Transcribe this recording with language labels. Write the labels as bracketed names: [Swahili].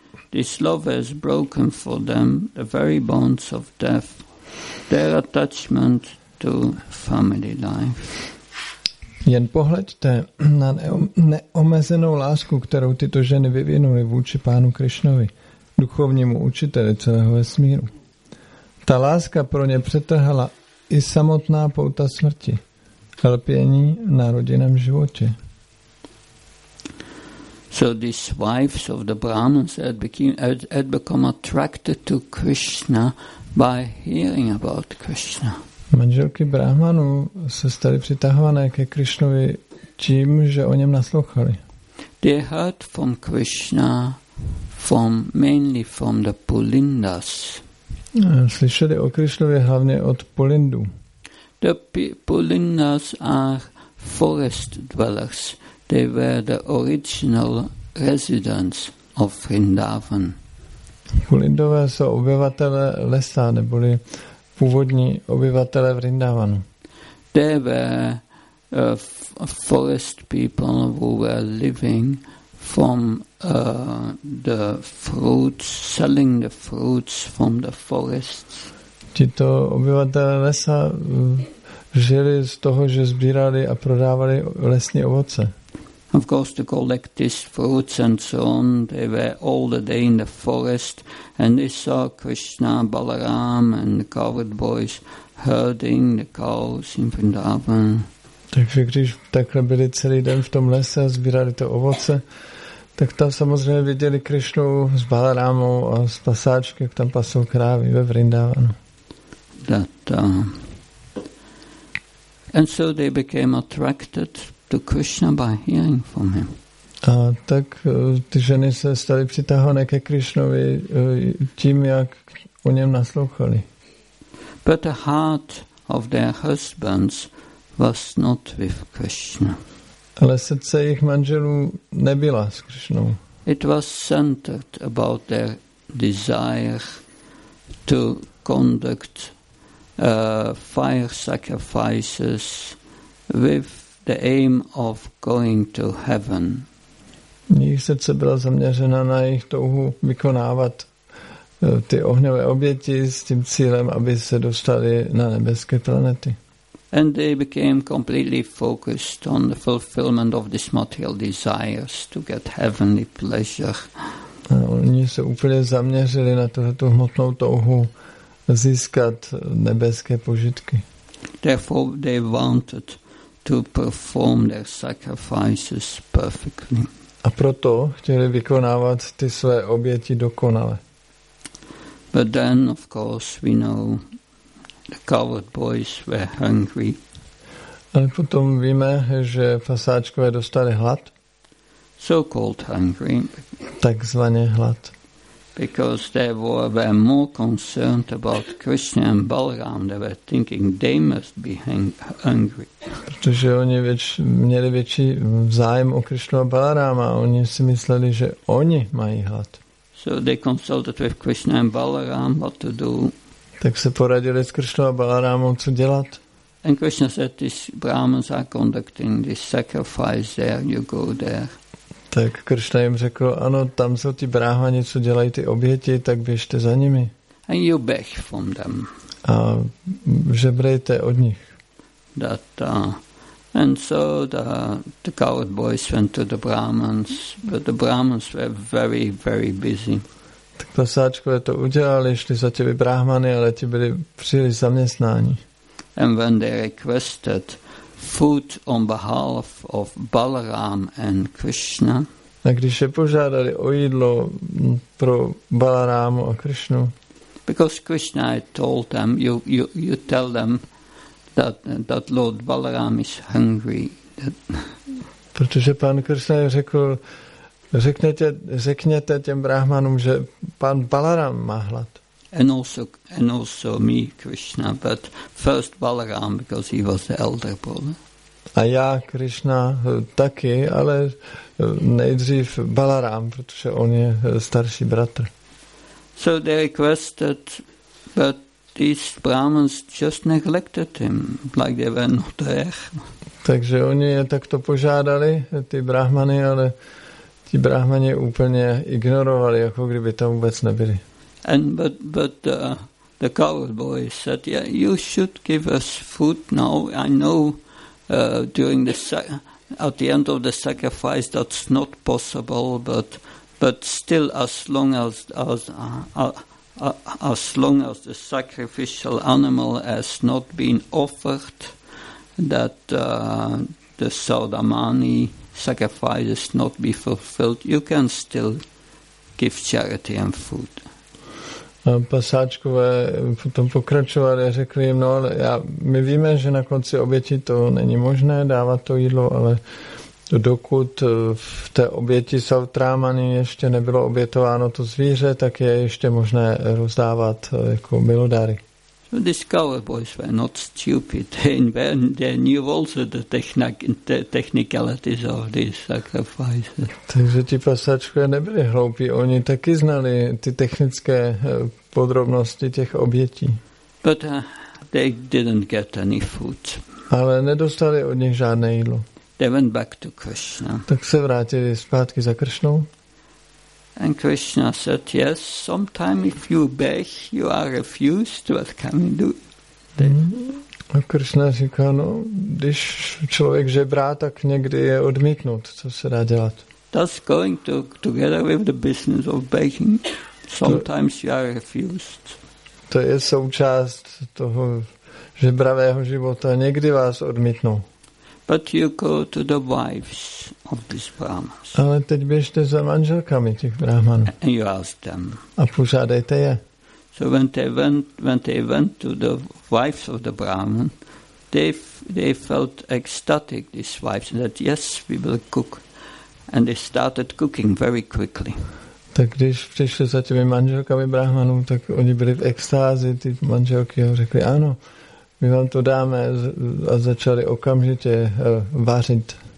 [English] This love has broken for them the very bonds of death, their attachment to family life. [Czech] Jen pohleďte na neomezenou lásku, kterou tyto ženy vyvinuly vůči pánu Krišnovi, duchovnímu učiteli celého vesmíru. Ta láska pro ně přetrhala i samotná pouta smrti, lpění na rodinném životě. [English] So these wives of the Brahmins had become attracted to Krishna by hearing about Krishna. [Czech] Manželky brahmanů se staly přitahované ke Krišnovi tím, že o něm naslouchali. [English] They heard from Krishna, mainly from the Pulindas. [Czech] Slyšeli o Krišnovi hlavně od Pulindů. [English] The Pulindas are forest dwellers. They were the original residents of Vrindavan. [Czech] Pulindové jsou obyvatelé lesa, neboli původní obyvatelé Vrindavanu. [English] They were forest people who were living from the fruits, selling the fruits from the forests. [Czech] Tito obyvatelé lesa žili z toho, že sbírali a prodávali lesní ovoce. [English] Of course, to collect these fruits and so on, they were all the day in the forest, and they saw Krishna, Balaram and the cowherd boys herding the cows in Vrindavan. [Czech] Takže když takhle byli celý den v tom lese a sbírali to ovoce, tak tam samozřejmě viděli Krishnu s Balarámou a s pasáčky, jak tam pasou krávy ve Vrindavanu. [English] And so they became attracted to Krishna by hearing from him. [Czech] A tak ty ženy se staly přitahované ke Krishnovi tím, jak o něm naslouchali. [English] But the heart of their husbands was not with Krishna. [Czech] Ale srdce jejich manželů nebyla s Krishnou. [English] It was centered about their desire to conduct fire sacrifices with the aim of going to heaven. [Czech] Jejich srdce byla zaměřena na jejich touhu vykonávat ty ohňové oběti s tím cílem, aby se dostali na nebeské planety. [English] And they became completely focused on the fulfillment of these material desires to get heavenly pleasure. [Czech] A oni se úplně zaměřili na tu hmotnou touhu získat nebeské požitky. [English] Therefore they wanted to perform their sacrifices perfectly. [Czech] A proto chtěli vykonávat ty své oběti dokonale. [English] But then of course we know the coward boys were hungry. [Czech] Ale potom víme, že pasáčkové dostali hlad. [English] So called hungry. [Czech] Takzvaně hlad. [English] Because they were more concerned about Krishna and Balaram, they were thinking they must be hungry. [Czech] Protože oni měli větší zájem o Krishnu a Balarama, oni si mysleli, že oni mají hlad. [English] So they consulted with Krishna and Balaram what to do. [Czech] Tak se poradili s Krishnou a Balarámou, co dělat. [English] And Krishna said, these Brahmins are conducting this sacrifice there, you go there. [Czech] Tak Krishna jim řekl, ano, tam jsou ti bráhani, co dělají ty oběti, tak běžte za nimi. [English] And you beg from them. [Czech] A žebrejte od nich. [English] And so the coward boys went to the Brahmins, but the Brahmins were very, very busy. [Czech] Tak pasáčkové to udělali, šli za těmi brahmany, ale ti byli příliš zaměstnání. [English] And when they requested food on behalf of Balaram and Krishna. [Czech] A když je požádali o jídlo pro Balarámu a Krishnu. [English] Because Krishna told them, you tell them that Lord Balaram is hungry. [Czech] Protože pan Krishna řekl, řekněte těm brahmanům, že pan Balaram má hlad. [English] And also me, Krishna, but first Balaram, because he was the elder brother. [Czech] A já, Krishna, taky, ale nejdřív Balaram, protože on je starší bratr. [English] So they requested, but these Brahmins just neglected him, like they were not there. [Czech] Takže oni je takto požádali, ty brahmany, ale ti brahmani úplně ignorovali, jako kdyby tam vůbec nebyli. [English] But the coward boy said, yeah, you should give us food now. I know at the end of the sacrifice that's not possible, but still as long as the sacrificial animal has not been offered, that the Saudamani sacrifice has not been fulfilled, you can still give charity and food. [Czech] pasáčku potom pokračovali a řekli jim, no, ale my víme, že na konci oběti to není možné dávat to jídlo, ale dokud v té oběti Sautrámany ještě nebylo obětováno to zvíře, tak je ještě možné rozdávat jako milodary. [English] So these cowboys were not stupid. They knew also the technicalities of these sacrifices. [Czech] Takže ti pasáčkové nebyli hloupí, oni taky znali ty technické podrobnosti těch obětí. [English] But they didn't get any food. [Czech] Ale nedostali od nich žádné jídlo. [English] They went back to Krishna. [Czech] Tak se vrátili zpátky za Krishnou. [English] And Krishna said, "Yes, sometime if you beg, you are refused. What can we do?" [Czech] A Krishna říká, no, když člověk žebrá, tak někdy je odmítnut. Co se dá dělat? [English] That's going to together with the business of begging. Sometimes you are refused. [Czech] To je součást toho žebravého života. Někdy vás odmítnou. [English] But you go to the wives of these brahmanas. [Czech] Ale teď běžte za manželkami těch brahmanů. [English] And you ask them. [Czech] A požádejte je. [English] So when they went to the wives of the brahman, they felt ecstatic. These wives said, "Yes, we will cook," and they started cooking very quickly. [Czech] Tak když přišli za těmi manželkami brahmanů, tak oni byli v extázi. Ty manželky a řekli, ano. My vám to dáme a začali okamžitě vařit.